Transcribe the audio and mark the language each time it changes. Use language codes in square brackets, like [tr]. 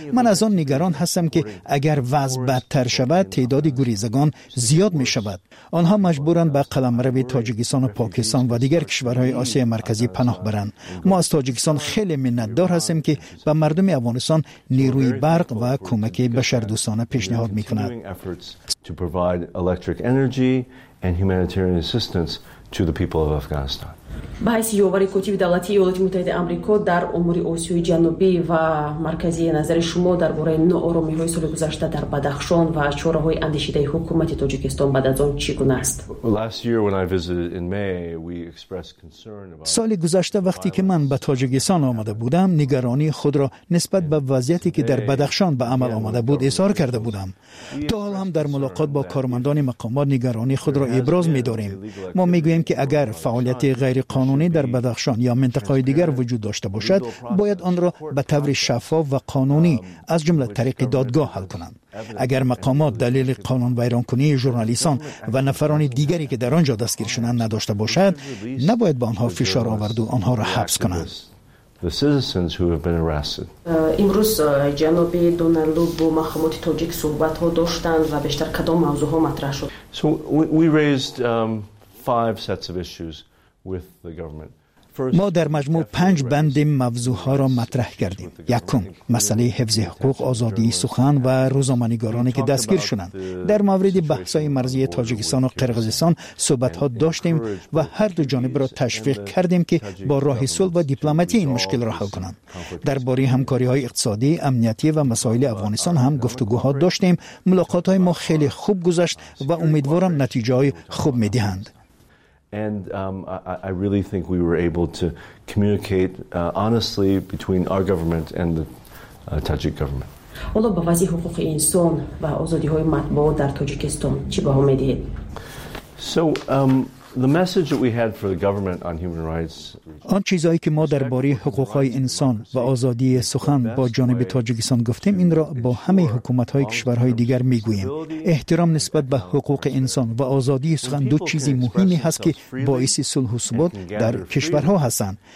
[fa] من از آن نگران هستم که اگر وضع بدتر شود تعداد گریزگان زیاد می‌شود. آنها مجبورند به قلمرو تاجیکستان و پاکستان و دیگر کشورهای آسیای مرکزی پناه برند. ما از تاجیکستان خیلی منتدار هستیم که به مردم افغانستان نیروی برق و کمک بشردوستانه پیشنهاد میکند. [en] To provide electric energy and humanitarian assistance to the people of Afghanistan. [fa] باعث یووری کوتیب دولتی ایالات متحده آمریکا در امور آسیای جنوبی و مرکزی نظر شما درباره نوآرامی های سال گذشته در بدخشان و چاره‌های اندیشیده حکومت تاجیکستان بعد از آن چگونه است؟ سال گذشته وقتی که من به تاجیکستان آمده بودم، نگرانی خود را نسبت به وضعیتی که در بدخشان به عمل آمده بود اظهار کرده بودم. تا حال هم در ملاقات با کارمندان مقامات نگرانی خود را ابراز می‌داریم. ما می‌گوییم که اگر فعالیت غیر قانونی در بدخشان یا منطقه‌های دیگر وجود داشته باشد، باید آن را به طور شفاف و قانونی از جمله طریق دادگاه حل کنند. اگر مقامات دلیل قانون ویران کنی ژورنالیستان و نفران دیگری که در آنجا دستگیر شدند نداشته باشد، نباید به آنها فشار آورد و آنها را حبس کنند. [en] The citizens who have been arrested. [fa] امروز جناب دونالد لو با مخامات تاجیک صحبت ها داشتند و بیشتر کدام موضوع ها مطرح شد؟ [en] So we raised five sets of issues with the government. [fa] ما در مجموع پنج بند موضوعها را مطرح کردیم. یکم، مسئله حفظ حقوق، آزادی سخن و روزنامه‌نگارانی که دستگیر شدند. در مورد بحث‌های مرزی تاجیکستان و قرقیزستان صحبت‌ها داشتیم و هر دو جانب را تشویق کردیم که با راه صلح و دیپلماتی این مشکل را حل کنند. درباره همکاری‌های اقتصادی، امنیتی و مسائل افغانستان هم گفتگوها داشتیم. ملاقات‌های ما خیلی خوب گذشت و امیدوارم نتایج خوب می‌دهند. [en] And I really think we were able to communicate honestly between our government and the Tajik government. [tg] Olo ba vazi huquq inson va azadi-hoye matbuot dar Tojikiston chi ba homedid? [en] So the message that we had for the government on human rights. [fa] آن چیزایی که ما درباره حقوق‌های انسان و آزادی سخن با جانب تاجیکستان گفتیم، این را با همه حکومت‌های کشورهای دیگر می‌گوییم. احترام نسبت به حقوق انسان و آزادی سخن دو چیزی مهمی هست که باعث صلح و ثبات در کشورها هستند.